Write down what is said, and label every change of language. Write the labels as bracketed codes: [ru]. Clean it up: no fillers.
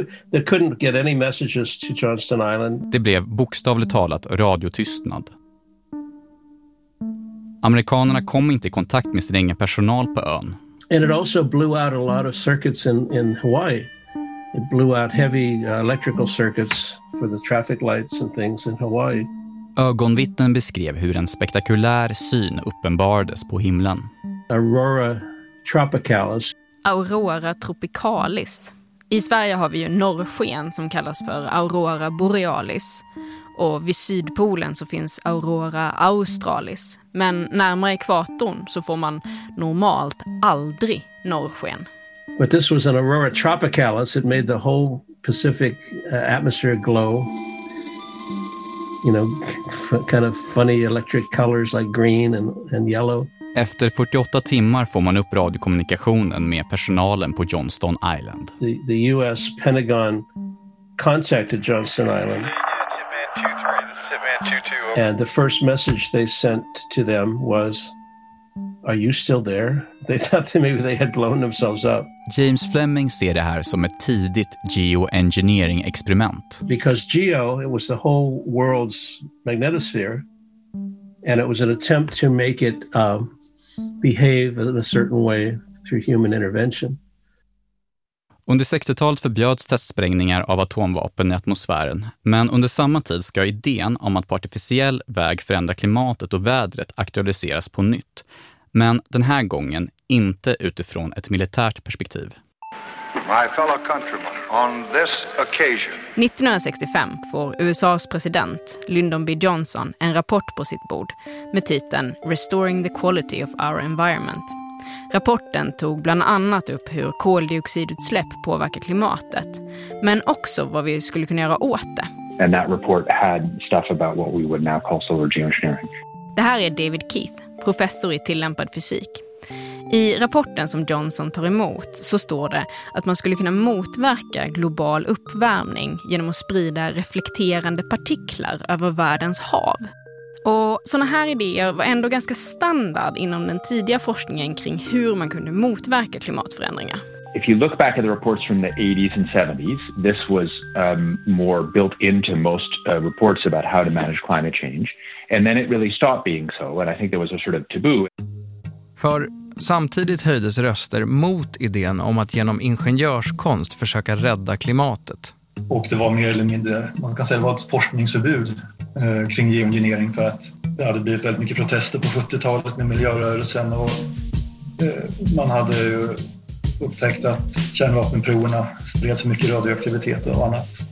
[en] They couldn't get any messages to Johnston Island. [sv] Det blev bokstavligt talat radiotystnad. Amerikanerna kom inte i kontakt med sin egen personal på ön. [en] And it also blew out a lot of circuits in Hawaii. It blew out heavy electrical circuits for the traffic lights and things in Hawaii. [sv] Ögonvittnen beskrev hur en spektakulär syn uppenbarades på himlen. [en] Aurora tropicalis. Aurora tropicalis. [sv] I Sverige har vi ju norrsken som kallas för aurora borealis. Och vid sydpolen så finns aurora australis. Men närmare ekvatorn så får man normalt aldrig norrsken. [en] But this was an aurora tropicalis. It made the whole Pacific atmosphere glow. You know, kind of funny electric colors like green and yellow. [sv] Efter 48 timmar får man upp radiokommunikationen med personalen på Johnston Island. [en] The US Pentagon contacted Johnston Island. And the first message they sent to them was, are you still there? They thought that maybe they had blown themselves up. [sv] James Fleming ser det här som ett tidigt geoengineering experiment. [en] Because geo, it was the whole world's magnetosphere, and it was an attempt to make it behave in a certain way through human intervention. [sv] Under 60-talet förbjöds testsprängningar av atomvapen i atmosfären, men under samma tid ska idén om att på artificiell väg förändra klimatet och vädret aktualiseras på nytt. Men den här gången inte utifrån ett militärt perspektiv. [en] My fellow countrymen, on this occasion... [sv] 1965 får USAs president Lyndon B. Johnson en rapport på sitt bord med titeln Restoring the Quality of Our Environment. Rapporten tog bland annat upp hur koldioxidutsläpp påverkar klimatet, men också vad vi skulle kunna göra åt det. [en] And that report had stuff about what we would now call solar geoengineering. [sv] Det här är David Keith, professor i tillämpad fysik. I rapporten som Johnson tar emot så står det att man skulle kunna motverka global uppvärmning genom att sprida reflekterande partiklar över världens hav. Och såna här idéer var ändå ganska standard inom den tidiga forskningen kring hur man kunde motverka klimatförändringar. [en] If you look back at the reports from the 80s and 70s, this was more built into most reports about how to manage climate change. And then it really stopped being so, and I think there was a sort of taboo. [sv] För samtidigt höjdes röster mot idén om att genom ingenjörskonst försöka rädda klimatet. Och det var mer eller mindre, man kan säga, det var ett forskningsförbud kring geoengineering, för att det hade blivit väldigt mycket protester på 70-talet med miljörörelsen, och man hade ju upptäckt att kärnvapenproverna spred så mycket radioaktivitet och annat.